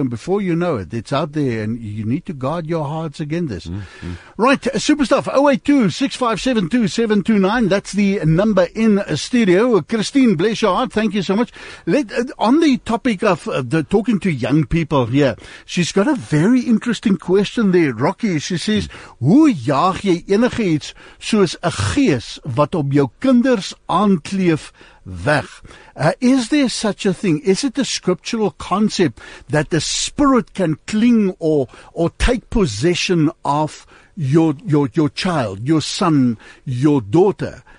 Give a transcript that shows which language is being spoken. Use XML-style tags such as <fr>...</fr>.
<en>And before you know it, it's out there and you need to guard your hearts against this. Mm-hmm. Right. Super stuff. 082-657-2729. That's the number in a studio. Christine, bless your heart. Thank you so much. On the topic of the talking to young people here, she's got a very interesting question there, Rocky. She says,</en> <af>Hoe jaag jy enige iets soos 'n gees wat op jou kinders aankleef weg?</af> <en>Is there such a thing? Is it a scriptural concept that the spirit can cling or take possession of your child, your son, your daughter?</en>